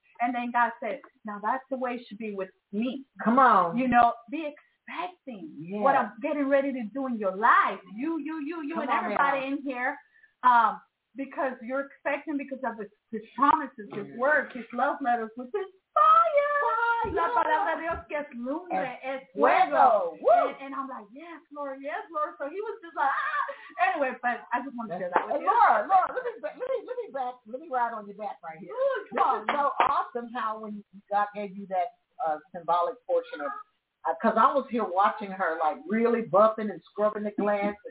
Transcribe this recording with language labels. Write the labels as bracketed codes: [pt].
[en] And then God said, now that's the way it should be with me. Come on. You know, be expecting what I'm getting ready to do in your life. You, come and everybody in here. Because you're expecting because of his promises, his work, his love letters, which is fire. [es] La palabra de Dios que es lumbre, es fuego. [en] And I'm like, yes, Lord. So he was just like, Anyway, but I just want to share that with you. Laura, let me ride on your back right here. Come on. So awesome how when God gave you that symbolic portion of, because I was here watching her, like, really buffing and scrubbing the glass.